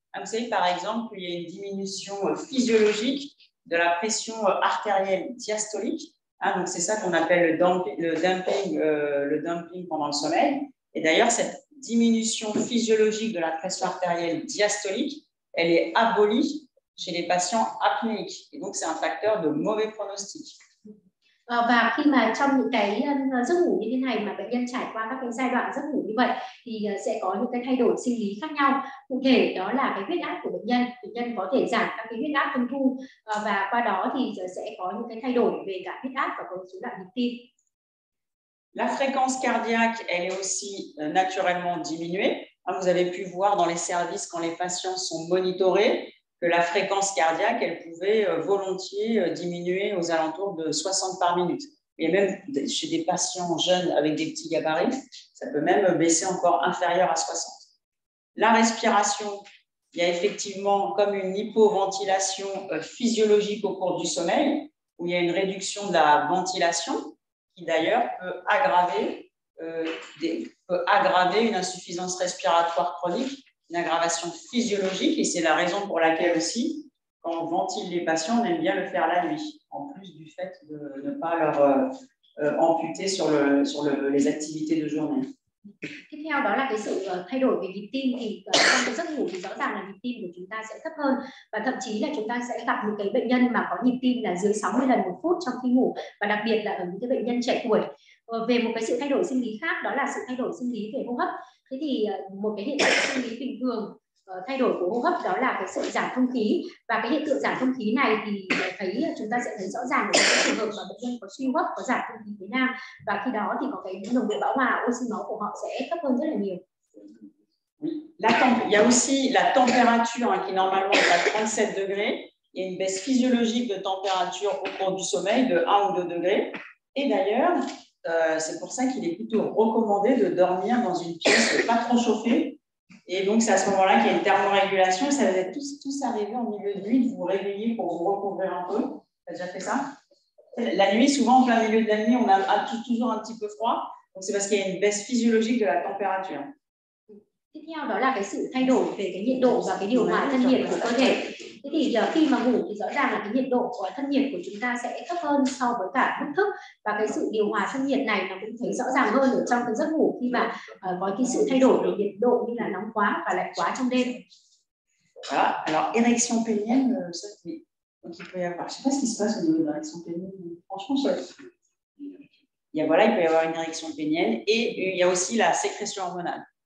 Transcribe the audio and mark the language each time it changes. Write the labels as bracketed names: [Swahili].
[French] Vous savez, par exemple, qu'il y a une diminution physiologique de la pression artérielle diastolique. Donc c'est ça qu'on appelle le dumping pendant le sommeil. Et d'ailleurs, cette diminution physiologique de la pression artérielle diastolique, elle est abolie chez les patients apnéiques. Et donc, c'est un facteur de mauvais pronostic. [Vietnamese] Và khi mà trong những cái giấc ngủ như thế này mà bệnh nhân trải qua các cái giai đoạn giấc ngủ như vậy thì sẽ có những cái thay đổi sinh lý khác nhau. Cụ thể đó là cái huyết áp của bệnh nhân có thể giảm các cái huyết áp tâm thu và qua đó thì sẽ có những cái thay đổi về cả huyết áp và có số lượng nhịp tim. [French] La fréquence cardiaque, elle est aussi naturellement diminuée. Vous avez pu voir dans les services quand les patients sont monitorés que la fréquence cardiaque, elle pouvait volontiers diminuer aux alentours de 60 par minute. Et même chez des patients jeunes avec des petits gabarits, ça peut même baisser encore inférieur à 60. La respiration, il y a effectivement comme une hypoventilation physiologique au cours du sommeil, où il y a une réduction de la ventilation qui d'ailleurs peut aggraver une insuffisance respiratoire chronique, une aggravation physiologique, et c'est la raison pour laquelle aussi, quand on ventile les patients, on aime bien le faire la nuit, en plus du fait de ne pas leur amputer sur les activités de journée. [Vietnamese] Tiếp theo đó là cái sự thay đổi về nhịp tim, thì trong cái giấc ngủ thì rõ ràng là nhịp tim của chúng ta sẽ thấp hơn, và thậm chí là chúng ta sẽ gặp những cái bệnh nhân mà có nhịp tim là dưới 60 lần một phút trong khi ngủ, và đặc biệt là ở những cái bệnh nhân trẻ tuổi. Về một cái sự thay đổi sinh lý khác, đó là sự thay đổi sinh lý về hô hấp. Thế thì một cái hiện tượng sinh lý bình thường thay đổi của hô hấp đó là cái sự giảm thông khí, và cái hiện tượng giảm thông khí này thì chúng ta sẽ thấy rõ ràng ở những trường hợp mà bệnh nhân có suy hô hấp, có giảm thông khí thế nào, và khi đó thì có cái nồng độ bão hòa oxy máu của họ sẽ thấp hơn rất là nhiều. [French] Là il y a aussi la température qui normalement est à 37 degrés, il y a une baisse physiologique de température au cours du sommeil de 1 ou 2 degrés, et d'ailleurs c'est pour ça qu'il est plutôt recommandé de dormir dans une pièce pas trop chauffée. Et donc, c'est à ce moment-là qu'il y a une thermorégulation. Ça vous est tous arrivé en milieu de nuit de vous réveiller pour vous recouvrir un peu. Tu as déjà fait ça? La nuit, souvent, en plein milieu de la nuit, on a toujours un petit peu froid. Donc, c'est parce qu'il y a une baisse physiologique de la température. [Vietnamese] Tiếp theo, đó là cái sự thay đổi về cái nhiệt độ và cái điều hòa thân nhiệt của cơ thể. Thế thì khi mà ngủ thì rõ ràng là cái nhiệt độ của thân nhiệt của chúng ta sẽ thấp hơn so với cả mức thức, và cái sự điều hòa thân nhiệt này nó cũng thấy rõ ràng hơn ở trong cái giấc ngủ khi mà có cái sự thay đổi về nhiệt độ như là nóng quá và lạnh quá trong đêm. [French] Voilà, alors érection pénienne, ça, oui. Donc, il peut y avoir, je ne sais pas ce qui se passe au niveau de l'érection pénienne, franchement, ça... Il y a, voilà, il peut y avoir une érection pénienne, et il y a aussi la sécrétion hormonale.